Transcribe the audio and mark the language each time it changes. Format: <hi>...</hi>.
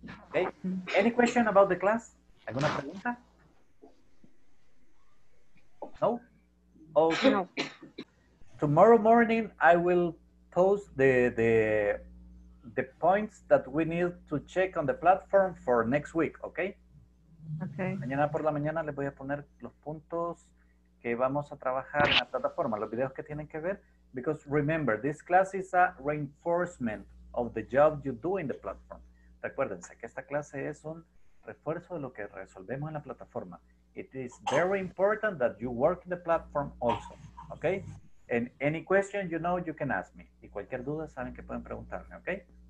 <en>Okay? Any question about the class?</en> <es>¿Alguna pregunta?</es> <en>No? Okay. No. Tomorrow morning, I will post the points that we need to check on the platform for next week, okay? Okay.</en> <es>Mañana por la mañana les voy a poner los puntos que vamos a trabajar en la plataforma, los videos que tienen que ver.</es> <en>Because remember, this class is a reinforcement of the job you do in the platform.</en> <es>Recuérdense que esta clase es un refuerzo de lo que resolvemos en la plataforma.</es> <en>It is very important that you work in the platform also, okay? And any question, you know, you can ask me.</en> <es>Y cualquier duda, saben que pueden preguntarme, okay?</es>